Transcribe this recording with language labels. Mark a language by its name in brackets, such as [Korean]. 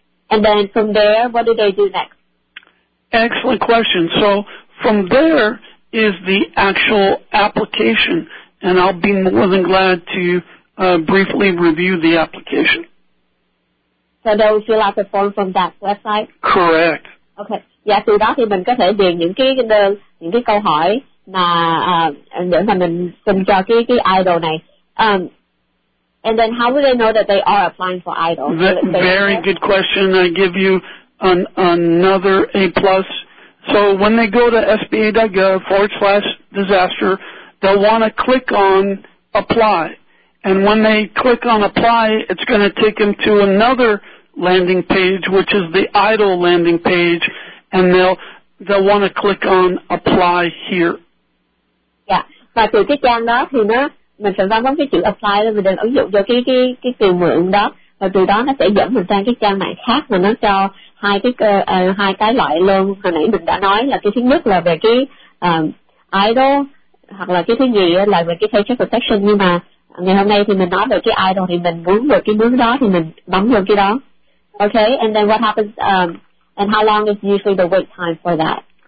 [English] And then from there, what do they do next? Excellent question. So from there is the actual application, and I'll be more than glad to briefly review the application. So they'll fill out the form from that website? Correct. Okay. [Vietnamese] Yeah, từ đó thì mình có thể điền những cái đơn, những cái câu hỏi mà để mà mình xin cho cái IDO này. [English] And then how would they know that they are applying for IDO? Very good question. I give you another A+. So when they go to sba.gov/disaster, they'll want to click on apply. And when they click on apply, it's going to take them to another landing page, which is the idle landing page, and they'll want to click on apply here. Yeah. [Vietnamese] Và từ cái trang đó thì nó mình sẽ vào bấm cái chữ apply để mình ứng dụng cho cái từ mượn đó, và từ đó nó sẽ dẫn mình sang cái trang mạng khác mà nó cho hai cái loại luôn. Hồi nãy mình đã nói là cái thứ nhất là về cái idle, hoặc là cái thứ nhì là về cái paycheck protection. Nhưng mà ngày hôm nay thì mình nói về cái idle thì mình muốn được cái bước đó thì mình bấm vô cái đó. [English] Okay, and then what happens, and how long is usually the wait time for that?